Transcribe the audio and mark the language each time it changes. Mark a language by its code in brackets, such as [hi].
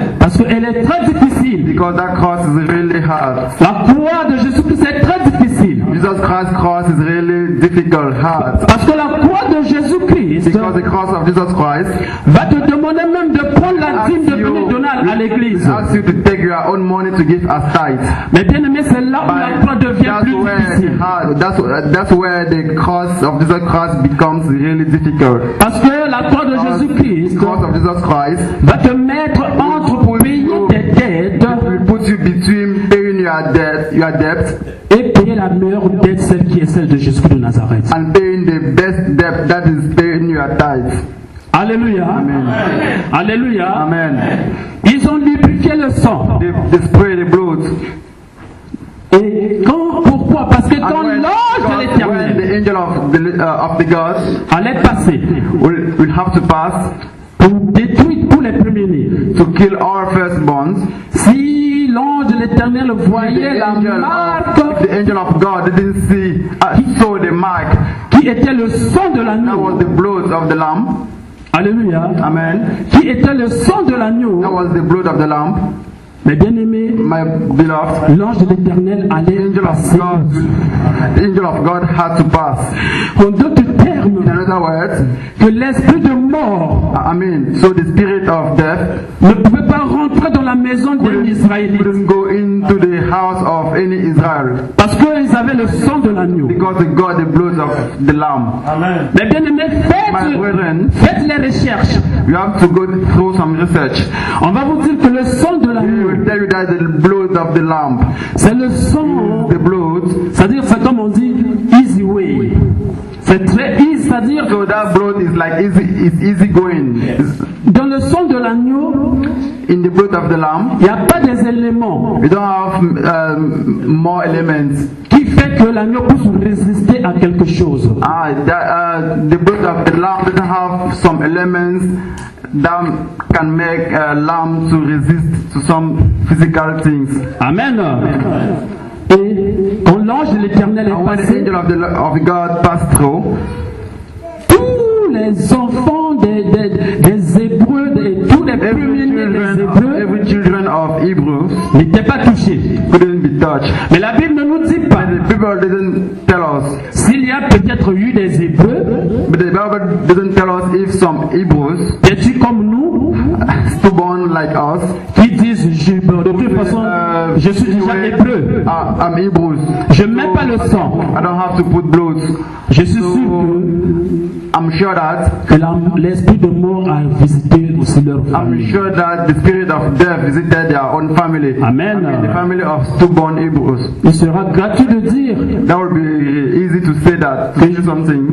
[fr] Parce qu'elle est très difficile. [en] Because that cross is really hard. [fr] La croix de Jésus Christ est très difficile. [en] Jesus Christ's cross is really difficult, hard. [fr] Parce que la croix de Jésus Christ, [en] because the cross of Jesus Christ, [fr] va te demander même de prendre la dîme de venir donner à l'église. [en] Asks you to take your own money to give as tithe. [fr] Mais bien aimé, c'est là où la croix devient [en] that's [fr] plus [en] where [fr] difficile. [en] Hard. That's where the cross of Jesus Christ becomes really difficult. [fr] Parce que la croix de Jésus Christ, [en] the cross of Jesus Christ, [fr] va te mettre entre payer tes dettes, [en] put you between paying your debt, [fr] et payer la meilleure dette, celle qui est celle de Jésus de Nazareth, [en] and paying the best debt, that is paying your tithe. [fr] Alléluia. Amen. Alléluia. Amen. Ils ont lubrifié le sang. [en] They sprayed the blood. [fr] Et quand, pourquoi? Parce que quand l'ange de l'Éternel, [en] when the angel of the God, [fr] allait passer, [en] will have to pass, [fr] pour détruire tous les premiers-nés, [en] to kill all firstborns, [fr] si l'ange de l'Éternel voyait la marque, [en] the angel of God didn't see, saw the mark, [fr] qui était le sang de l'agneau, [en] that was the blood of the lamb. [fr] Alléluia. Amen. Qui était le sang de l'agneau, [en] that was the blood of the lamb. [fr] Mais bien aimé, [en] my beloved, [fr] l'ange de l'Éternel allait [en] angel [fr] passer. [en] Of God, the angel of God had to pass. [fr] En d'autres termes, [en] in other words, [fr] que l'esprit de mort, [en] I mean, so the spirit of death, [fr] ne pouvait pas rentrer dans la maison d'un Israélite. [en] Couldn't go into the house of any Israel. [fr] Parce qu'ils avaient le sang de l'agneau. [en] Because they got the blood of the lamb. Amen. [fr] Mais bien aimé, faites les recherches. [en] You have to go through some research. [fr] On va vous dire que le sang de l'agneau, [en] will tell you that the blood of the lamb, [fr] c'est le sang, [en] the blood, [fr] c'est-à-dire c'est comme on dit [en] easy way, [fr] c'est très [en] easy, [fr] c'est-à-dire [en] so that blood is like easy, is easy going. Yes. [fr] Dans le sang de l'agneau, [en] in the blood of the lamb, [fr] il y a pas des éléments, [en] you don't have more elements, [fr] qui fait que l'agneau puisse résister à quelque chose. [en] The blood of the lamb doesn't have some elements that can make a lamb to resist to some physical things. [fr] Amen. Et quand l'ange de l'Éternel est passé, [en] the angel of God passed through, [fr] tous les enfants des Hébreux, tous les [en] every children of Hebrews [fr] n'étaient pas touchés, [en] couldn't be touched. [fr] Mais la Bible ne nous dit pas, [en] the Bible didn't tell us, [fr] s'il y a peut-être eu des Hébreux, [en] but the Bible didn't tell us if some Hebrews, [fr] qui comme nous, [en] stubborn like us, [fr] qui disent je, de toute façon je suis déjà Hébreux, [en] I'm Hebrews, [fr] je mets pas le sang, [en] I don't have to put blood, [fr] je suis sûr, [en] I'm sure. sure that [fr] l'esprit de mort a visité aussi leur famille. [en] I'm sure that the spirit of death visited their own family. Amen. I mean, the family of stillborn Hebrews. [fr] Il sera gratuit de dire. [en] That would be easy to say that to say something.